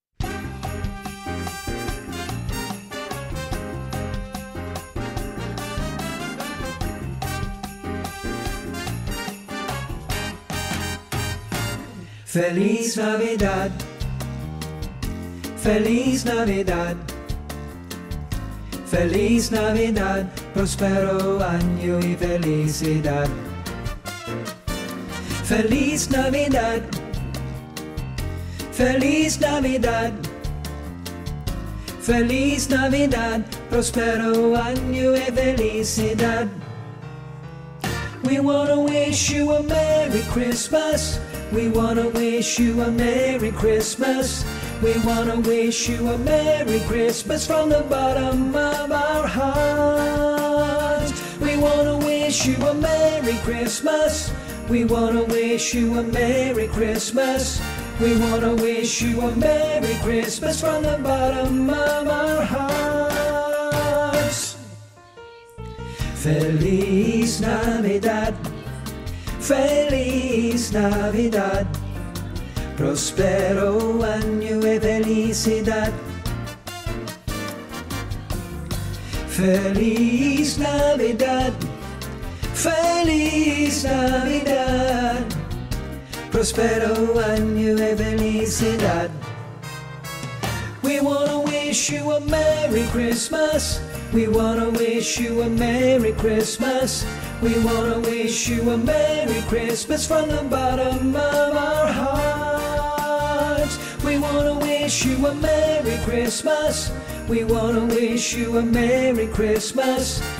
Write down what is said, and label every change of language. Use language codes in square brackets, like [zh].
[es] Feliz Navidad, Feliz Navidad, Feliz Navidad, Prospero Año y Felicidad. Feliz Navidad, Feliz Navidad, Feliz Navidad, Prospero Año y Felicidad. [en] We want to wish you a Merry Christmas. We want to wish you a Merry Christmas. We want to wish you a Merry Christmas from the bottom of our hearts. We want to wish you a Merry Christmas. We want to wish you a Merry Christmas. We want to wish you a Merry Christmas from the bottom of our hearts. [es] Feliz Navidad. Feliz Navidad, Prospero Año y Felicidad. Feliz Navidad, Feliz Navidad, Prospero Año y Felicidad. [en] We want to wish you a Merry Christmas. We want to wish you a Merry Christmas. We want to wish you a Merry Christmas from the bottom of our hearts. We want to wish you a Merry Christmas. We want to wish you a Merry Christmas.